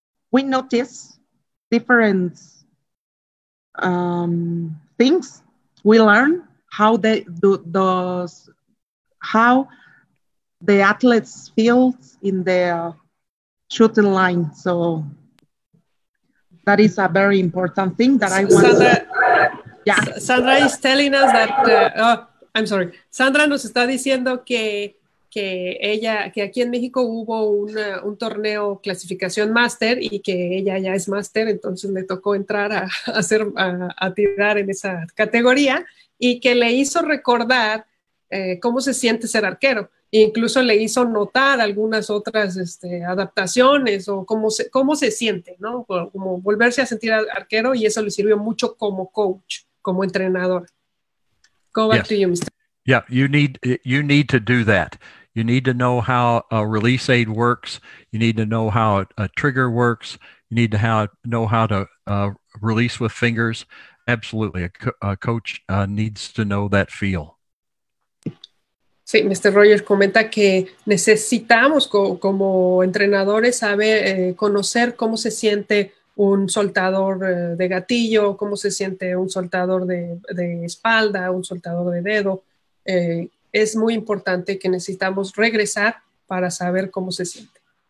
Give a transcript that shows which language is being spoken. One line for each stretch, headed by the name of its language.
English: we notice different things, we learn how they do those, how the athletes feel in their shooting line. So that is a very important thing that I want. Sandra is telling us that, I'm sorry.
Spanish: Sandra nos está diciendo que aquí en México hubo un torneo clasificación máster, y que ella ya es máster, entonces le tocó entrar a tirar en esa categoría, y que le hizo recordar cómo se siente ser arquero. Incluso le hizo notar algunas otras adaptaciones o cómo se siente, ¿no? Como volverse a sentir arquero, y eso le sirvió mucho como coach, como entrenador.
English: Go back to you, Mr. Yeah, you need to do that. You need to know how a release aid works. You need to know how a trigger works. You need to know how to release with fingers. Absolutely, a coach needs to know that feel.
Spanish: Sí, Mr. Rogers comenta que necesitamos como entrenadores saber conocer cómo se siente un soltador de gatillo, cómo se siente un soltador de espalda, un soltador de dedo. Es muy importante que necesitamos regresar para saber cómo se siente.